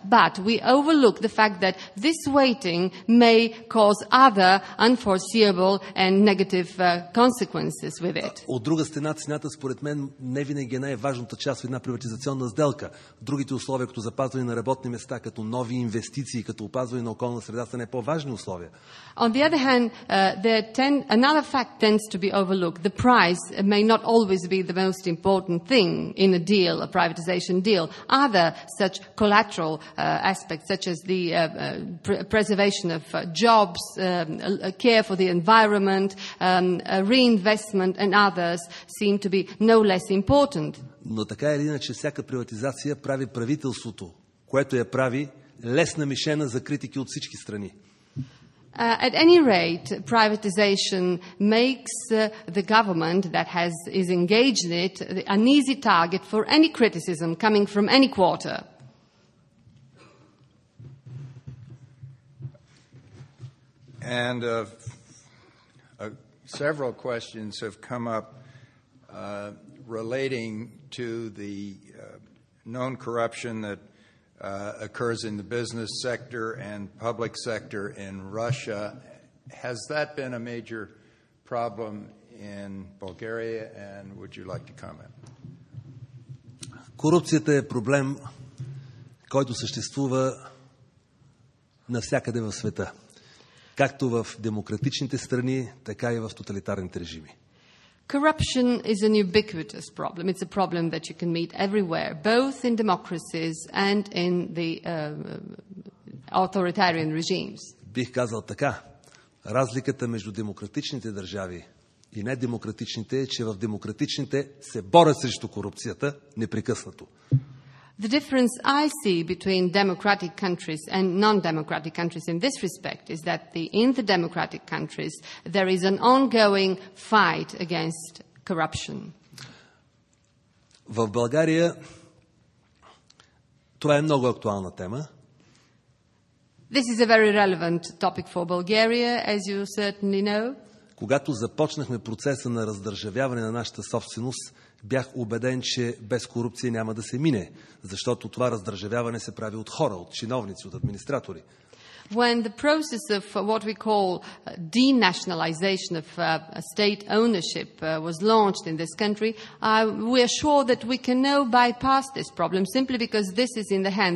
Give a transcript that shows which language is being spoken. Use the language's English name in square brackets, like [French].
[English] But we overlook the fact that this waiting may cause other unforeseeable and negative consequences with it. [Bulgarian] От друга страна, цената според мен не винаги е най-важната част в една приватизационна сделка. Другите условия, като запазване на работни места, като нови инвестиции, като опазване на околна среда, са не по-важни условия. [English] On the other hand, another fact tends to be overlooked. The price may not always be the most important thing in a deal, a privatization deal. Other such collateral aspects, such as the preservation of jobs, care for the environment, reinvestment and others seem to be no less important. [Bulgarian] Но така или иначе, всяка приватизация прави правителството, което я прави, лесна мишена за критики от всички страни. [English] At any rate, privatization makes the government that is engaged in it an easy target for any criticism coming from any quarter. And several questions have come up relating to the known corruption that occurs in the business sector and public sector in Russia. Has that been a major problem in Bulgaria, and would you like to comment? [Bulgarian] Корупцията е проблем, който съществува навсякъде в света, както в демократичните страни, така и в тоталитарните режими. [English] Corruption is an ubiquitous problem. It's a problem that you can meet everywhere, both in democracies and in the authoritarian regimes. [Bulgarian] Бих казал така. Разликата между демократичните държави и недемократичните е, че в демократичните се борят срещу корупцията непрекъснато. [English] The difference I see between democratic countries and non-democratic countries in this respect is that in the democratic countries there is an ongoing fight against corruption. [Bulgarian] В България това е много актуална тема. [English] This is a very relevant topic for Bulgaria, as you certainly know. [Bulgarian] Когато започнахме процеса на раздържавяване на нашата собственост, бях убеден, че без корупция няма да се мине, защото това раздържавяване се прави от хора, от чиновници, от администратори. [English] When the process of what we call denationalization of state ownership was launched in this country, we are sure that we can now bypass this problem simply because this is in the hand.